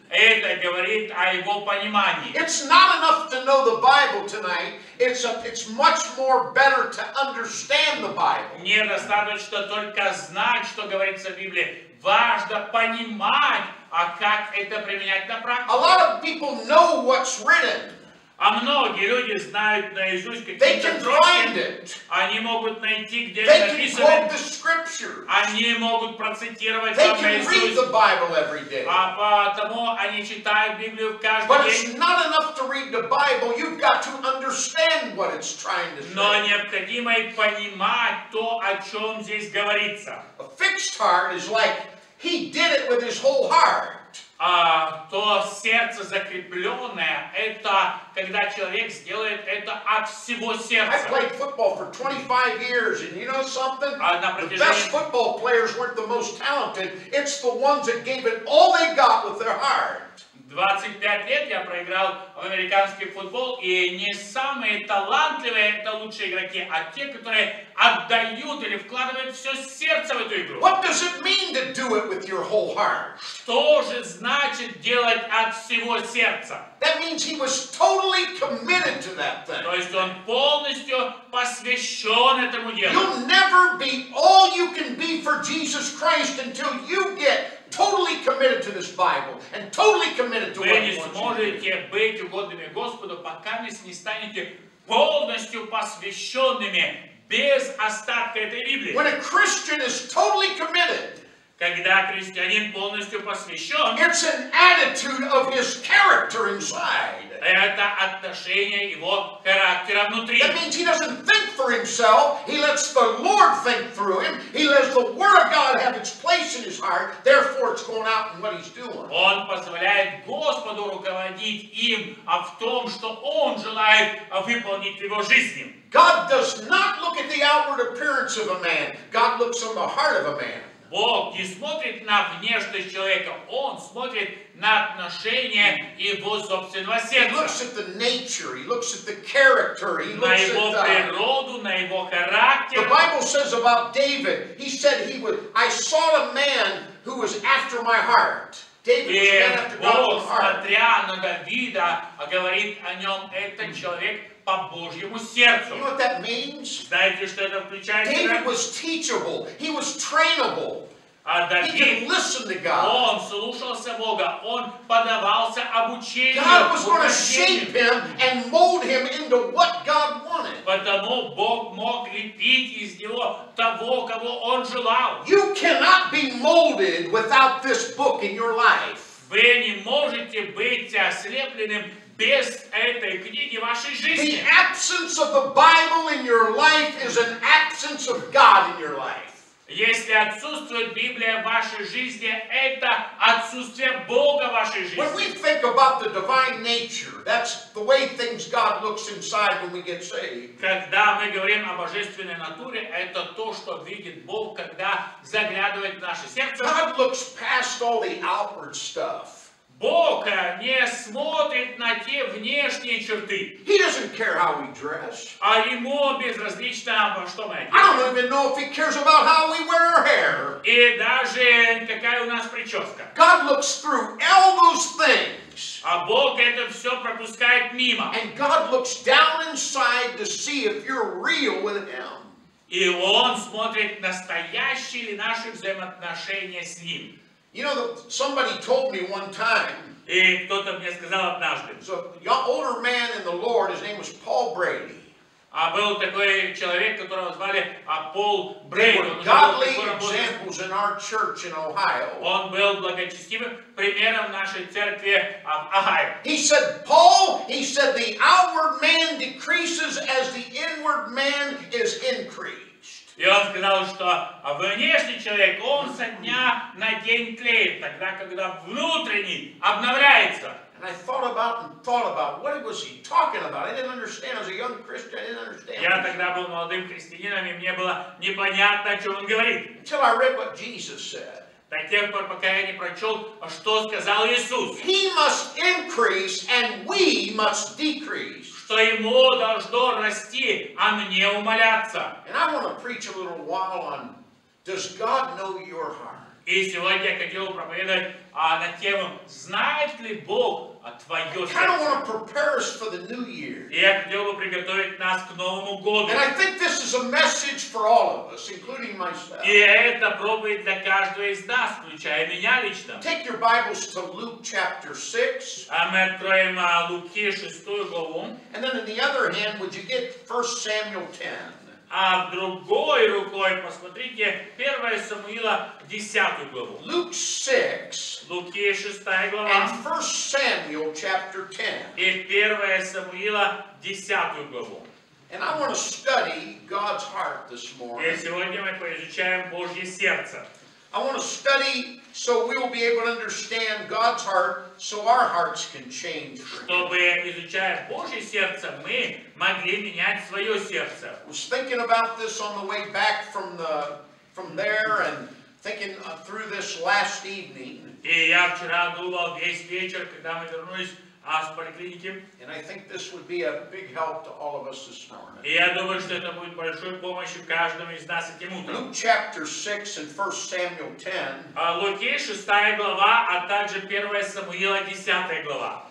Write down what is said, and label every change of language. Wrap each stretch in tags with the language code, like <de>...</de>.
<ru>Это говорит о его понимании.</ru> <en>It's not enough to know the Bible tonight. It's much more better to understand the Bible.</en> <ru>Недостаточно только знать, что говорится в Библии. Важно понимать, а как это применять на практике.</ru> <en>A lot of people know what's written.</en> <ru>А многие люди знают наизусть какие-то строчки.</ru> <en>They can find it.</en> <ru>Они могут найти, где</ru> <en>They</en> <ru>это написано.</ru> <en>They can quote the scriptures.</en> <ru>Они могут процитировать</ru> <en>They</en> <ru>там наизусть.</ru> <en>They can read the Bible every day.</en> <ru>А потому они читают Библию каждый день.</ru> <en>But it's not enough to read the Bible. You've got to understand what it's trying to say.</en> <ru>Но необходимо и понимать то, о чем здесь говорится.</ru> <en>A fixed heart is like he did it with his whole heart.</en> <ru>То сердце закрепленное, это когда человек сделает это от всего сердца.</ru> <en>I played football for 25 years, and you know something?</en> <ru>Протяжении...</ru> <en>The best football players weren't the most talented. It's the ones that gave it all they got with their heart.</en> <ru>25 лет я проиграл в американский футбол, и не самые талантливые это лучшие игроки, а те, которые отдают или вкладывают все сердце в эту игру.</ru> <en>What does it mean to do it with your whole heart?</en> <ru>Что же значит делать от всего сердца?</ru> <en>That means he was totally committed to that thing.</en> <ru>То есть он полностью посвящен этому делу.</ru> <en>You'll never be all you can be for Jesus Christ until you get totally committed to this Bible and totally committed to what you want.</en> <ru>Вы не сможете быть угодными Господу, пока вы не станете полностью посвященными без остатка этой Библии.</ru> <en>When a Christian is totally committed,</en> <ru>когда христианин полностью посвящен,</ru> <en>it's an attitude of his character inside.</en> <ru>Это отношение его характера внутри.</ru> <en>That means he doesn't think for himself. He lets the Lord think through him. He lets the Word of God have its place in his heart. Therefore, it's going out in what he's doing.</en> <ru>Он позволяет Господу руководить им, а в том, что он желает выполнить в его жизни.</ru> <en>God does not look at the outward appearance of a man. God looks on the heart of a man.</en> <ru>Бог не смотрит на внешность человека, Он смотрит на отношение его собственного сердца.</ru> <en>He looks at the nature, he looks at the character, he looks at the...</en> <ru>На его природу, на его характер.</ru> <en>The Bible says about David, he said he would, I saw a man who was after my heart. David was</en> <ru>Бог, смотря на Давида, говорит о нем, этот человек по Божьему сердцу.</ru> <en>You know what that means?</en> <ru>Знаете, что это включает?</ru> <en>David was teachable. He was trainable. David, he could listen to God.</en> <ru>Он слушался Бога. Он поддавался обучению.</ru> <en>God was going to shape him and mold him into what God wanted.</en> <ru>Потому Бог мог лепить из него того, кого он желал.</ru> <en>You cannot be molded without this book in your life.</en> <ru>Вы не можете быть ослепленным без этой книги вашей жизни.</ru> <en>The absence of the Bible in your life is an absence of God in your life.</en> <ru>Если отсутствует Библия в вашей жизни, это отсутствие Бога в вашей жизни.</ru> <en>When we think about the divine nature, that's the way things God looks inside when we get saved.</en> <ru>Когда мы говорим о божественной натуре, это то, что видит Бог, когда заглядывает в наше сердце.</ru> <en>God looks past all the outward stuff.</en> <ru>Бог не смотрит на те внешние черты.</ru> <en>He doesn't care how we dress.</en> <ru>А ему безразлично, что мы одеты.</ru> <en>I don't even know if he cares about how we wear our hair.</en> <ru>И даже какая у нас прическа.</ru> <en>God looks through all those things.</en> <ru>А Бог это все пропускает мимо.</ru> <en>And God looks down inside to see if you're real with him.</en> <ru>И он смотрит, настоящие ли наши взаимоотношения с ним.</ru> <en>You know, somebody told me one time.</en> <ru>И кто-то мне сказал однажды.</ru> <en>So, older man in the Lord, his name was Paul Brady.</en> <ru>А был такой человек, которого звали Пол Брейди.</ru> <en>They were godly examples in our church in Ohio.</en> <ru>Он был благочестивым примером в нашей церкви в Огайо.</ru> <en>He said, Paul. He said, the outward man decreases as the inward man is increased.</en> <ru>И он сказал, что внешний человек, он со дня на день тлеет, тогда, когда внутренний обновляется.</ru> <en>And I thought about, what was he talking about? I didn't understand. As a young Christian, I didn't understand.</en> <ru>Я тогда был молодым христианином, и мне было непонятно, о чем он говорит.</ru> <en>Until I read what Jesus said.</en> <ru>До тех пор, пока я не прочел, что сказал Иисус.</ru> <en>He must increase, and we must decrease.</en> <ru>Что ему должно расти, а мне умоляться.</ru> <en>And I want to preach a little while on, does God know your heart?</en> <ru>И сегодня я хотел проповедовать на тему, знает ли Бог твое сердце.</ru> <en>I kind of want to prepare us for the new year.</en> <ru>И я хотел бы приготовить нас к Новому году.</ru> <en>And I think this is a message for all of us, including myself.</en> <ru>И это проповедь для каждого из нас, включая меня лично.</ru> <en>Take your Bibles to Luke chapter 6.</en> <ru>А мы откроем Луки 6 главу.</ru> <en>And then on the other hand, would you get 1 Samuel 10?</en> <ru>А другой рукой посмотрите 1 Самуила 10 главу.</ru> <en>Luke 6.</en> <ru>Луки 6 глава.</ru> <en>And 1 Samuel chapter 10.</en> <ru>И 1 Самуила 10 главу.</ru> <en>And I want to study God's heart this morning.</en> <ru>И сегодня мы поизучаем Божье сердце.</ru> <en>I want to study so we will be able to understand God's heart so our hearts can change.</en> <ru>Чтобы, изучая Божье сердце, мы могли менять свое сердце.</ru> <en>I was thinking about this on the way back from the from there and thinking through this last evening.</en> <ru>И я вчера думал весь вечер, когда мы вернулись с поликлиники.</ru> <en>And I think this would be a big help to all of us this morning.</en> <ru>И я думаю, что это будет большой помощью каждому из нас этим утром.</ru> <en>Luke chapter 6 and 1 Samuel 10.</en> <ru>Луки 6 глава, а также 1 Самуила 10 глава.</ru>